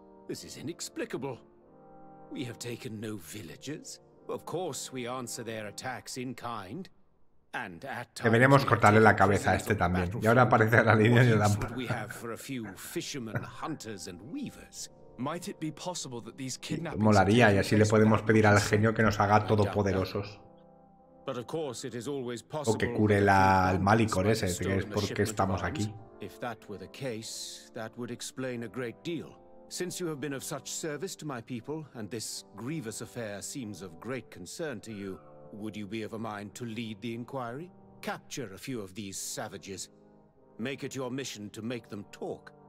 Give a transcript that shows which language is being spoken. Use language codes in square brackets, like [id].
[en] This is inexplicable. We have taken no villagers. Of course, we answer their attacks in kind. And at times... [es] Deberíamos cortarle la cabeza a este también. Y ahora aparece la línea de la... [en] We have for a few fishermen, hunters and weavers. Might it be possible that these kidnappings... [es] Molaría, y así le podemos pedir al genio que nos haga todopoderosos. [en] But of course, it is always possible... [es] O que cure el Malicor ese, que es porque estamos aquí. [en] If that were the case, that would explain a great deal. Since you have been of such service to my people, and this grievous affair seems of great concern to you, would you be of a mind to lead the inquiry? Capture a few of these savages. Make it your mission to make them talk.